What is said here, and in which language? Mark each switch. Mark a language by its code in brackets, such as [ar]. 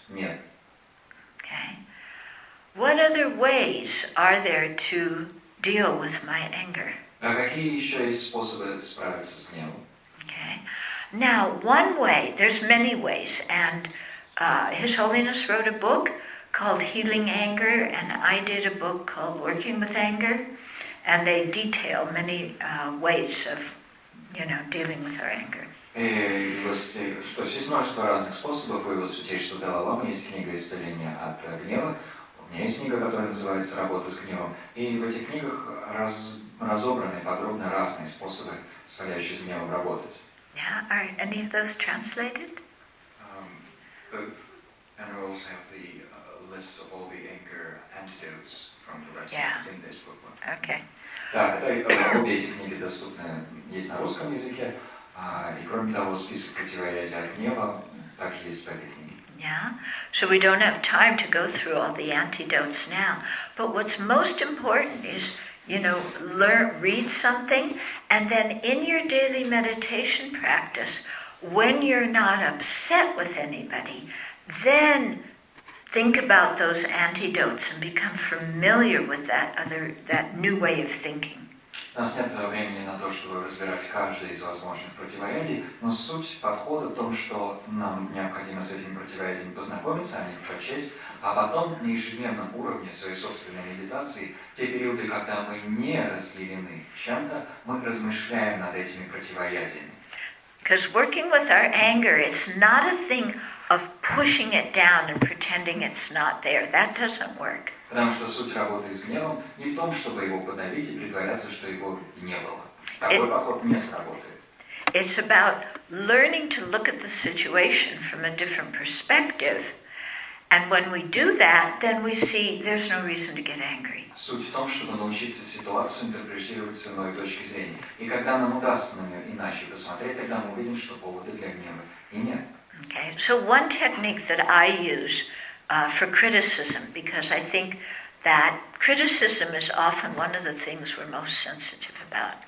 [ru] Нет. [en] Okay. What other ways are there to deal with my anger? [ru] А какие еще есть способы справиться с гневом? [en] Okay. Now, one way, there's many ways, and His Holiness wrote a book called Healing Anger, and I did a book called Working with Anger, and they detail many ways of, you know, dealing with our anger. [ru] Что есть множество разных способов, вы его святейшество дала вам, есть книга «Исцеление от гнева», у меня есть книга, которая называется «Работа с гневом», и в этих книгах разобраны подробно разные способы, позволяющие с гневом работать. [en] Yeah, are any of those translated? Both, and we also have the list of all the anger antidotes from the rest in this book. Okay. [ru] Обе эти книги доступны, есть на русском языке, и кроме того, список противоядий от гнева также есть в этой книге. [en] Yeah, so we don't have time to go through all the antidotes now, but what's most important is, you know, read something, and then in your daily meditation practice, when you're not upset with anybody, then think about those antidotes and become familiar with that new way of thinking. [ru] У нас нет времени на то, чтобы разбирать каждое из возможных противоядий, но суть подхода в том, что нам необходимо с этими противоядиями познакомиться, о них прочесть, а потом на ежедневном уровне своей собственной медитации, те периоды, когда мы не разъярены чем-то, мы размышляем над этими противоядиями. [en] Because working with our anger, it's not a thing of pushing it down and pretending it's not there. That doesn't work. [ru] Потому что суть работы с гневом не в том, чтобы его подавить и притворяться, что его не было. Такой подход не сработает. [en] It's about learning to look at the situation from a different perspective. And when we do that, then we see there's no reason to get angry. [ru] Суть в том, чтобы научиться ситуацию интерпретировать с иной точки зрения. И когда нам удастся на нее иначе посмотреть, тогда мы увидим, что повода для гнева и нет. [en] Okay, so one technique that I use for criticism, because I think that criticism is often one of the things we're most sensitive about.